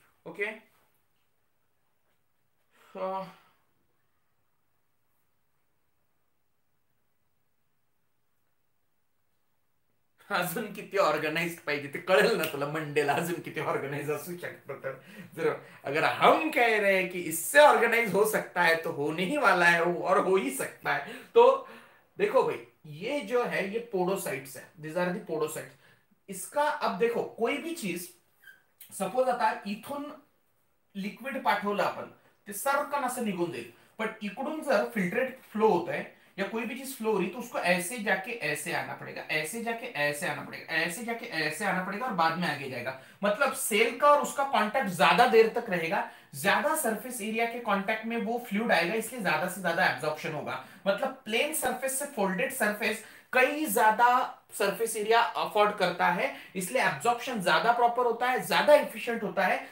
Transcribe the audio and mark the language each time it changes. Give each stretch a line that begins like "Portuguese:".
Marathi: Okay, अजून किती organise पाहिजे ते कळेल ना तुला, मंडेला अजून किती ऑर्गनाइज असू शकतं.
Hindi: जर अगर हम कह रहे हैं कि इससे ऑर्गनाइज हो सकता है तो होने ही वाला है वो, और हो ही सकता है. तो देखो भाई, ये जो है ये पोडोसाइट्स है,
English: This are the podocytes.
Hindi: इसका अब देखो, कोई भी चीज
Marathi: सपोज आता इथून लिक्विड पाठवलं आपण, ते सरकन असं निघून जाईल, पण इकडून जर फिल्ट्रेट फ्लो होत आहे,
Hindi: या कोई भी चीज फ्लो हो रही, तो उसको ऐसे जाके ऐसे आना पड़ेगा, ऐसे जाके ऐसे आना पड़ेगा, ऐसे जाके ऐसे आना पड़ेगा, और बाद में आगे जाएगा। मतलब सेल का और उसका कॉन्टेक्ट ज्यादा देर तक रहेगा, ज्यादा सरफेस एरिया के कॉन्टेक्ट में वो फ्लूड आएगा, इसलिए ज्यादा से ज्यादा एब्जॉर्प्शन होगा। मतलब प्लेन सर्फेस से फोल्डेड सर्फेस कई ज्यादा सरफेस एरिया अफोर्ड करता है, इसलिए एब्जॉर्प्शन ज्यादा प्रॉपर होता है, ज्यादा एफिशिएंट होता है।